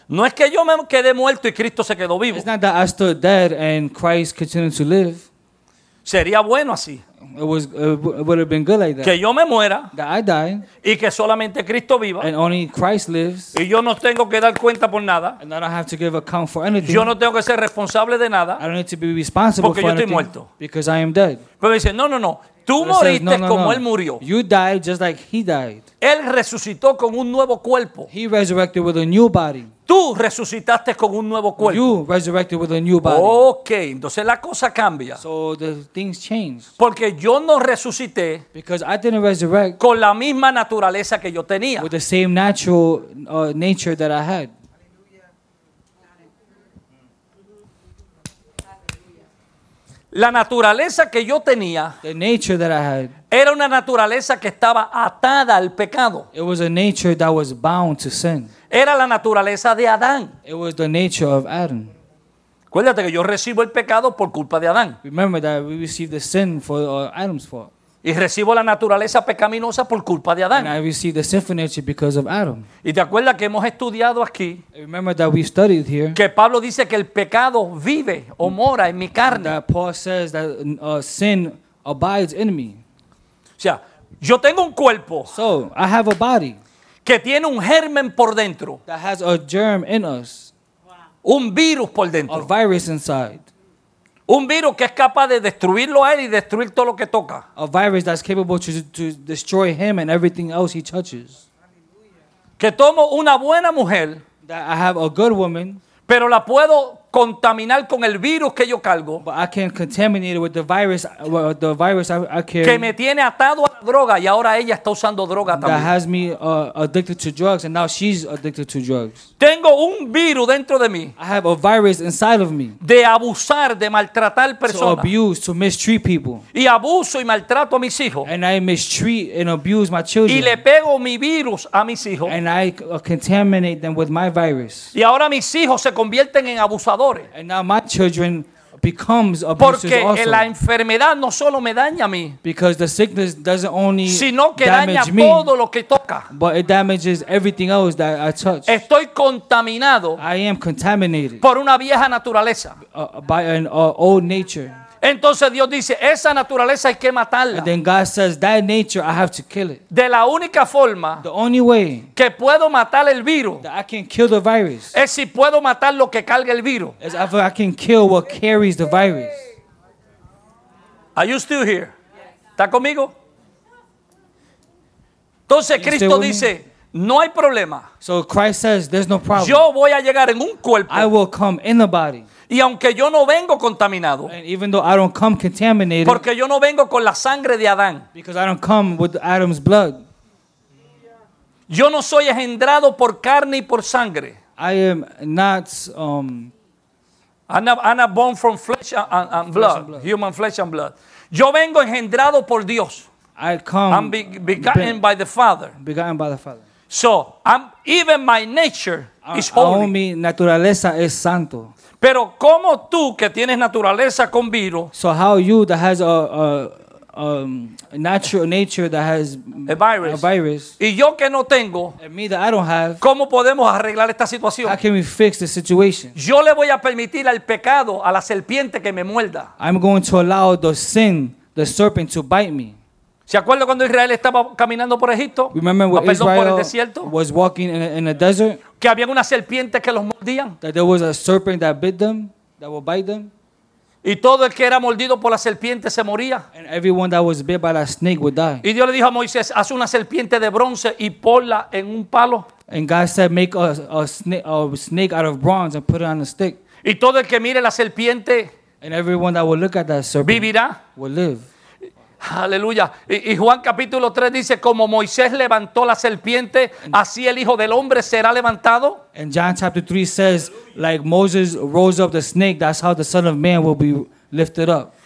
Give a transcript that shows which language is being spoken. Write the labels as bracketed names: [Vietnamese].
[Spanish] No es que yo me quedé muerto y Cristo se quedó vivo. [English] It's not that I stood dead and Christ continued to live. [Spanish] Sería bueno así. [English] It would have been good like that. [Spanish] Que yo me muera. [English] That I die. [Spanish] Y que solamente Cristo viva. [English] And only Christ lives. [Spanish] Y yo no tengo que dar cuenta por nada. [English] And I don't have to give account for anything. [Spanish] Yo no tengo que ser responsable de nada. [English] I don't need to be responsible [Spanish] porque [English] for [Spanish] yo [English] anything. [Spanish] Estoy muerto. [English] Because I am dead. [Spanish] Pero dice, no, no, no. Tú [English] says, [Spanish] moriste [English] no, no, [Spanish] como [English] no. [Spanish] Él murió. [English] You died just like he died. [Spanish] Él resucitó con un nuevo cuerpo. [English] He resurrected with a new body. [Spanish] Tú resucitaste con un nuevo cuerpo. [English] You resurrected with a new body. [Spanish] Okay, entonces la cosa cambia. [English] So the things change. [Spanish] Porque yo no resucité. [English] Because I didn't resurrect. [Spanish] Con la misma naturaleza que yo tenía. [English] With the same natural nature that I had. [Spanish] La naturaleza que yo tenía. [English] The nature that I had. [Spanish] Era una naturaleza que estaba atada al pecado. [English] It was a nature that was bound to sin. [Spanish] Era la naturaleza de Adán. [English] It was the nature of Adam. [Spanish] Acuérdate que yo recibo el pecado por culpa de Adán. [English] Remember that we receive the sin for Adam's fault. [Spanish] Y recibo la naturaleza pecaminosa por culpa de Adán. [English] And I receive the sinful nature because of Adam. [Spanish] Y te acuerdas que hemos estudiado aquí. [English] Remember that we studied here. [Spanish] Que Pablo dice que el pecado vive o mora en mi carne. [English] That Paul says that sin abides in me. [Spanish] O sea, yo tengo un cuerpo. [English] So, I have a body. [Spanish] Que tiene un germen por dentro. [English] That has a germ in us. [Spanish] Un virus por dentro. [English] A virus inside. [Spanish] Un virus que es capaz de destruirlo a él y destruir todo lo que toca. [English] A virus that's capable to destroy him and everything else he touches. [Spanish] Que tomo una buena mujer. [English] That I have a good woman. [Spanish] Pero la puedo contaminar con el virus que yo cargo. [English] But I can contaminate it with the virus I carry. [Spanish] Que me tiene atado a la droga y ahora ella está usando droga también. [English] That has me addicted to drugs and now she's addicted to drugs. [Spanish] Tengo un virus dentro de mí. [English] I have a virus inside of me. [Spanish] De abusar, de maltratar personas. [English] To abuse, to mistreat people. [Spanish] Y abuso y maltrato a mis hijos. [English] And I mistreat and abuse my children. [Spanish] Y le pego mi virus a mis hijos. [English] And I contaminate them with my virus. [Spanish] Y ahora mis hijos se convierten en abusadores. [English] And now my children becomes abusers [Spanish] porque [English] also. [Spanish] La enfermedad no solo me daña a mí, [English] because the sickness doesn't only [Spanish] sino que [English] damage [Spanish] daña [English] me, [Spanish] todo lo que toca. [English] But it damages everything else that I touch. [Spanish] Estoy contaminado. [English] I am contaminated [Spanish] por una vieja naturaleza. [English] By an old nature. [Spanish] Entonces Dios dice, esa naturaleza hay que matarla. [English] And then God says, that nature, I have to kill it. [Spanish] De la única forma [English] the only way [Spanish] que puedo matar el virus, [English] that I can kill the virus [Spanish] es si puedo matar lo que carga el virus. [English] Is if I can kill what carries the virus. Are you still here? [Spanish] ¿Está conmigo? Entonces Cristo dice, no hay problema. [English] So Christ says, there's no problem. [Spanish] Yo voy a llegar en un cuerpo. [English] I will come in the body. [Spanish] Y aunque yo no vengo contaminado, [English] and even though I don't come contaminated, [Spanish] porque yo no vengo con la sangre de Adán, [English] because I don't come with Adam's blood, [Spanish] yo no soy engendrado por carne y por sangre. [English] I am not. I'm not born from flesh and blood, flesh and blood, human flesh and blood. [Spanish] Yo vengo engendrado por Dios. [English] I come. I'm begotten by the Father. Begotten by the Father. So I'm even my nature is holy. [Spanish] Aún mi naturaleza es santo. Pero como tú que tienes naturaleza con virus. [English] So how you that has a natural nature that has a virus. [Spanish] Y yo que no tengo. [English] And me that I don't have. [Spanish] ¿Cómo podemos arreglar esta situación? [English] How can we fix the situation? [Spanish] Yo le voy a permitir al pecado, a la serpiente que me muerda. [English] I'm going to allow the sin, the serpent to bite me. [Spanish] ¿Se acuerda cuando Israel estaba caminando por Egipto? [English] Remember when Israel [Spanish] por el desierto? [English] Was walking in a desert? [Spanish] Que había una serpiente que los mordían. [English] That there was a serpent that bit them. that will bite them. [Spanish] Y todo el que era mordido por la serpiente se moría. [English] And everyone that was bit by that snake would die. [Spanish] Y Dios le dijo a Moisés, haz una serpiente de bronce y ponla en un palo. [English] And God said, make a snake out of bronze and put it on a stick. [Spanish] Y todo el que mire la serpiente, [English] and everyone that will look at that serpent, [Spanish] vivirá. [English] Will live. [Spanish] Aleluya. Y Juan capítulo 3 dice, como Moisés levantó la serpiente, así el Hijo del Hombre será levantado. [English] And John chapter 3 says, like Moses rose up the snake, that's how the Son of Man will be lifted up.